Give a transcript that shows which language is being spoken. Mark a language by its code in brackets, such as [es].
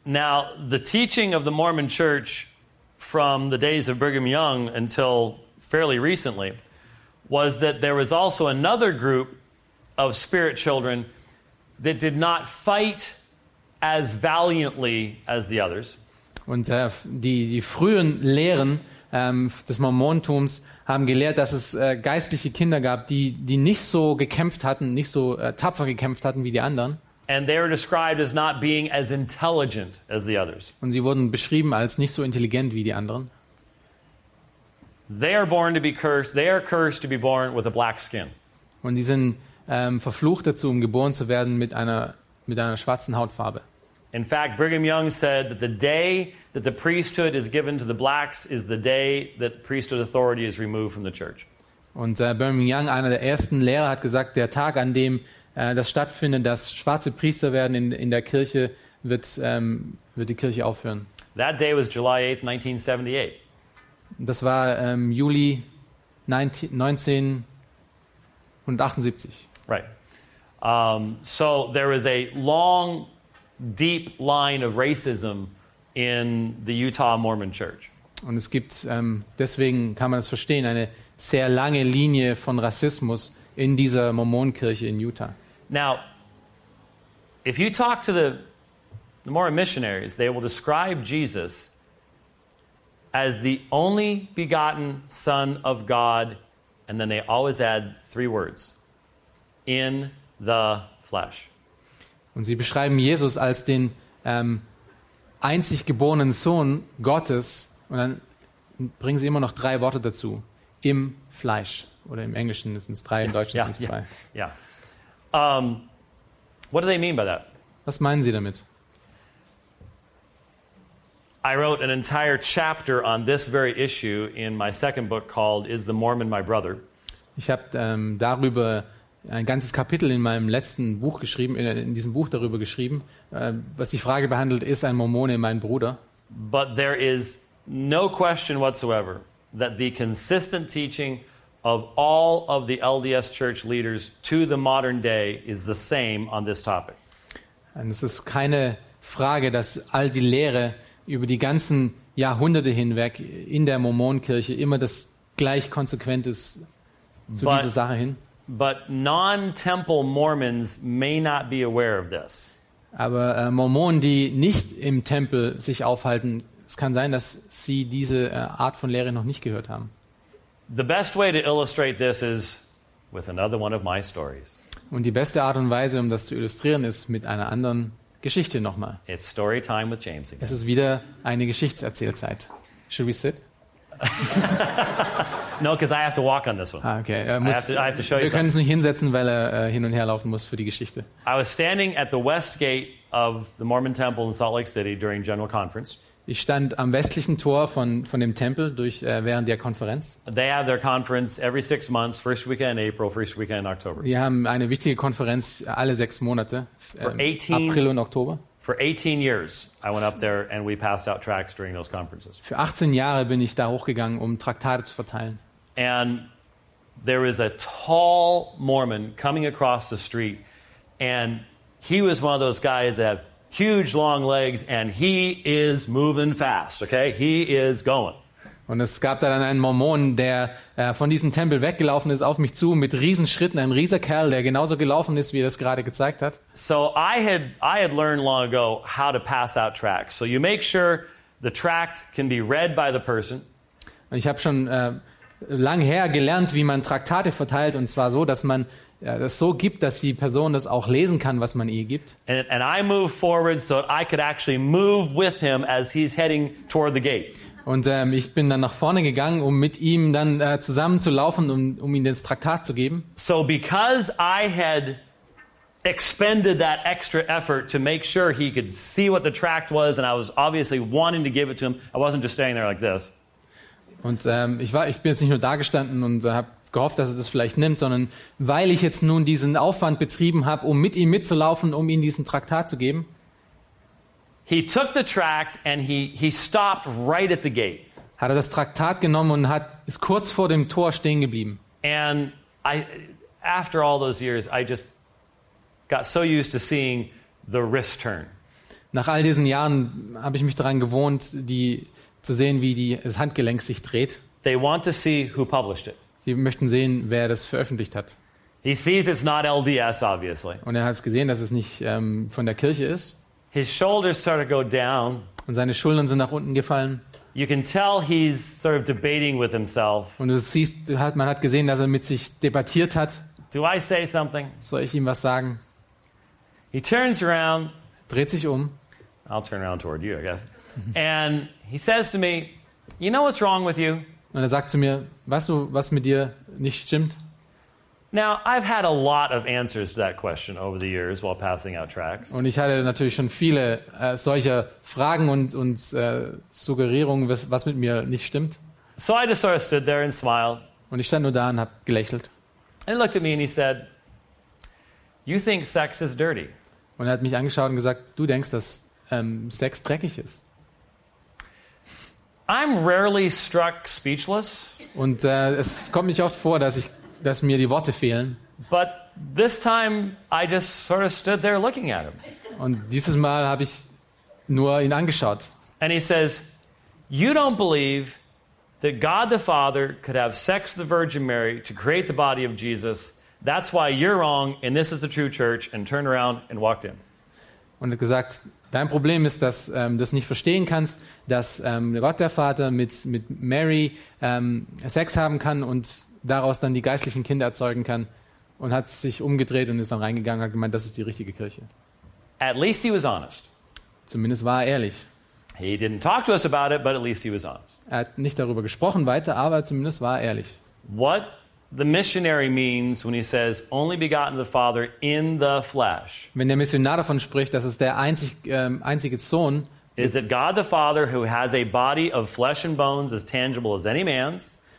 [en] Now, the teaching of the Mormon Church from the days of Brigham Young until fairly recently was that there was also another group of spirit children that did not fight as valiantly as the others. [de] Und die frühen Lehren des Mormontums haben gelehrt, dass es geistliche Kinder gab, die nicht so gekämpft hatten, nicht so tapfer gekämpft hatten wie die anderen. [en] And they are described as not being as intelligent as the others. [de] Und sie wurden beschrieben als nicht so intelligent wie die anderen. [en] They are born to be cursed. They are cursed to be born with a black skin. [de] Und die sind verflucht dazu, um geboren zu werden mit einer schwarzen Hautfarbe. [en] In fact, Brigham Young said that the day that the priesthood is given to the blacks is the day that priesthood authority is removed from the church. [de] Und Brigham Young, einer der ersten Lehrer, hat gesagt, der Tag, an dem das stattfindet, dass schwarze Priester werden in der Kirche, wird die Kirche aufhören. [en] That day was July 8th, 1978. [de] Das war Juli 1978. [en] Right. So there is a long, deep line of racism in the Utah Mormon Church. [de] Und es gibt, deswegen kann man das verstehen, eine sehr lange Linie von Rassismus in dieser Mormonkirche in Utah. [en] Now, if you talk to the Mormon missionaries, they will describe Jesus as the only begotten Son of God, and then they always add three words, in the flesh. [de] Und sie beschreiben Jesus als den einzig geborenen Sohn Gottes, und dann bringen sie immer noch drei Worte dazu, im Fleisch, oder im Englischen sind es drei, im Deutschen sind es zwei. [en] What do they mean by that? [de] Was meinen Sie damit? [en] I wrote an entire chapter on this very issue in my second book called "Is the Mormon My Brother?" [de] Ich habe darüber ein ganzes Kapitel in meinem letzten Buch geschrieben, in diesem Buch darüber geschrieben, was die Frage behandelt: Ist ein Mormone mein Bruder? [en] But there is no question whatsoever that the consistent teaching of all of the LDS church leaders to the modern day is the same on this topic. [de] Und es ist keine Frage, dass all die Lehre über die ganzen Jahrhunderte hinweg in der Mormonkirche immer das gleich konsequent ist zu dieser Sache hin. [en] But non-temple Mormons may not be aware of this. [de] Aber Mormonen, die nicht im Tempel sich aufhalten, es kann sein, dass sie diese Art von Lehre noch nicht gehört haben. [en] The best way to illustrate this is with another one of my stories. [de] Und die beste Art und Weise, um das zu illustrieren, ist mit einer anderen Geschichte nochmal. [en] It's story time with James again. [de] Es ist wieder eine Geschichtserzählzeit. [en] Should we sit? No, because I have to walk on this one. Ah, okay. I have to show you. [de] Wir können es nicht hinsetzen, weil er hin und her laufen muss für die Geschichte. [en] I was standing at the west gate of the Mormon Temple in Salt Lake City during General Conference. [de] Ich stand am westlichen Tor von dem Tempel während der Konferenz. [en] They have their conference every 6 months, first weekend in April, first weekend in October. [de] Wir haben eine wichtige Konferenz alle 6 Monate, April und Oktober. [en] For 18 years, I went up there and we passed out tracts during those conferences. [de] Für 18 Jahre bin ich da hochgegangen, um Traktate zu verteilen. [en] And there is a tall Mormon coming across the street, and he was one of those guys that have huge long legs, and he is moving fast, okay? He is going. [de] Und es gab da dann einen Mormon, der von diesem Tempel weggelaufen ist, auf mich zu, mit Riesenschritten, ein rieser Kerl, der genauso gelaufen ist, wie er es gerade gezeigt hat. [en] So I had learned long ago how to pass out tracts. So you make sure the tract can be read by the person. [de] Und ich habe schon lang her gelernt, wie man Traktate verteilt, und zwar so, dass man das so gibt, dass die Person das auch lesen kann, was man ihr gibt. [en] And I move forward so that I could actually move with him as he's heading toward the gate. [de] Und ich bin dann nach vorne gegangen, um mit ihm dann zusammenzulaufen, um ihm das Traktat zu geben. [en] So because I had expended that extra effort to make sure he could see what the tract was, and I was obviously wanting to give it to him, I wasn't just standing there like this. [de] Und ich bin jetzt nicht nur da gestanden und habe gehofft, dass er das vielleicht nimmt, sondern weil ich jetzt nun diesen Aufwand betrieben habe, um mit ihm mitzulaufen, um ihm diesen Traktat zu geben. [en] He took the tract and he stopped right at the gate. [de] hat er das Traktat genommen und hat ist kurz vor dem Tor stehen geblieben. [en] And I, after all those years, I just got so used to seeing the wrist turn. [de] Nach all diesen Jahren habe ich mich daran gewohnt, die zu sehen, wie die das Handgelenk sich dreht. [en] They want to see who published it. [de] Sie möchten sehen, wer das veröffentlicht hat. [en] He sees it's not LDS, obviously. [de] Und er hat es gesehen, dass es nicht von der Kirche ist. [en] His shoulders sort of go down. [de] Und seine Schultern sind nach unten gefallen. [en] You can tell he's sort of debating with himself. [de] Und du siehst, man hat gesehen, dass er mit sich debattiert hat. [en] Do I say something? [de] Soll ich ihm was sagen? [en] He turns around. [de] Dreht sich um. [en] I'll turn around toward you, I guess. And he says to me, "You know what's wrong with you?" [de] Und er sagt zu mir, weißt du, was mit dir nicht stimmt? [en] Now, I've had a lot of answers to that question over the years while passing out tracts. [de] Und ich hatte natürlich schon viele solcher Fragen und Suggerierungen, was mit mir nicht stimmt. [en] So I just sort of stood there and smiled. [de] Und ich stand nur da und habe gelächelt. [en] And he looked at me and he said, "You think sex is dirty?" [de] Und er hat mich angeschaut und gesagt, du denkst, dass Sex dreckig ist. [en] I'm rarely struck speechless. [de] Und es kommt nicht oft vor, dass mir die Worte fehlen. [en] But this time I just sort of stood there looking at him. [de] Und dieses Mal habe ich nur ihn angeschaut. [en] And he says, "You don't believe that God the Father could have sex with the Virgin Mary to create the body of Jesus. That's why you're wrong and this is the true church," and turned around and walked in. [de] Und hat gesagt, dein Problem ist, dass du das nicht verstehen kannst, dass Gott der Vater mit Mary Sex haben kann und daraus dann die geistlichen Kinder erzeugen kann, und hat sich umgedreht und ist dann reingegangen und hat gemeint, das ist die richtige Kirche. [en] At least he was honest. [de] Zumindest war er ehrlich. [en] He didn't talk to us about it, but at least he was honest. [de] Er hat nicht darüber gesprochen weiter, aber zumindest war er ehrlich. [en] What the missionary means when he says only begotten the Father in the flesh. [de] Wenn der Missionar davon spricht, dass es der einzige Sohn ist, [en] that God the Father who has a body of flesh and bones as tangible as any man's.